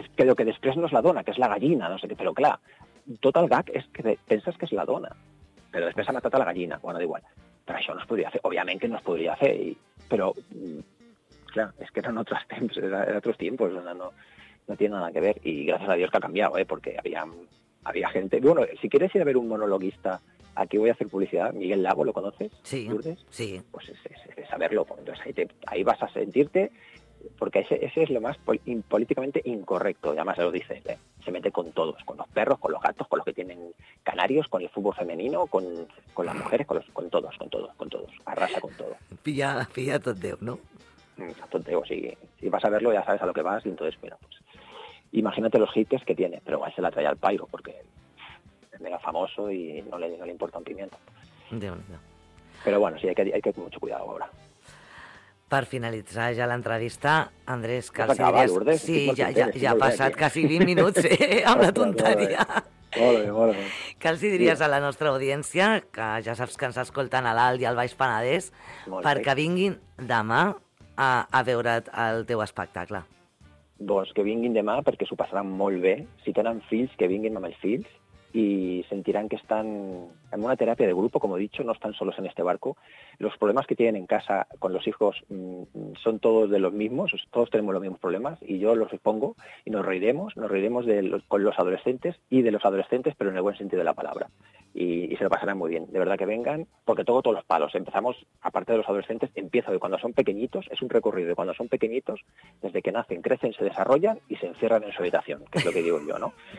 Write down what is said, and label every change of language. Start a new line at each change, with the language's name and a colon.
Catalan: Però que després no és la dona, que és la gallina, no sé què. Però clar, tot el gag és que penses que és la dona, però després ha matat a la gallina. Bueno, d'igual. Però això no es podria fer. Òbviament que no es podria fer. Però, clar, és que eren altres temps, eren altres tiempos.
Spanish: No tiene nada que ver.
Catalan: I gràcies a Dios que ha canviat, perquè havia
Spanish: gente... Bueno, si quieres ir a ver un monologuista aquí voy a hacer publicidad, Miguel Lago, ¿lo conoces? Sí, ¿Lourdes? Sí. Pues es saberlo, entonces ahí vas a sentirte, porque ese es lo más políticamente incorrecto, y además se lo dice, se mete con todos, con los perros, con los gatos, con los que tienen canarios, con el fútbol femenino, con las mujeres, con todos, arrasa con todo. Pilla tonteo, ¿no? Tonteo, sí, si vas a verlo ya sabes a lo que vas, y entonces, bueno, pues imagínate los hits que tiene, pero igual se la trae al pairo, porque es mega famoso y no le importa un pimiento. Pero bueno, sí, hay que tener mucho cuidado ahora.
Catalan: Per finalitzar ja l'entrevista, Andrés Calcedes... Has acabat, Lourdes? Sí, ja ha passat quasi 20 minuts, amb la tonteria. Molt bé. Què els diries a la nostra audiència, que ja saps que ens escolten a l'Alt i al Baix Penedès, perquè vinguin demà a veure't el teu espectacle? Doncs que vinguin demà, perquè s'ho passaran molt bé. Si tenen fills, que vinguin amb els fills i sentiran que estan en una teràpia de grup, com he dit, no estan
Spanish: solos en este barco. Los problemas que tienen en casa con los hijos son todos de los mismos, todos tenemos los mismos problemas, y yo los expongo y nos reiremos con los adolescentes y de los adolescentes, pero en el buen sentido de la palabra. Y se lo pasarán muy bien, de verdad que vengan, porque toco todos los palos. Empezamos, aparte de los adolescentes, empiezo de cuando son pequeñitos, es un recorrido de cuando son pequeñitos, desde que nacen, crecen, se desarrollan y se encierran en su habitación, que es lo que digo yo, ¿no?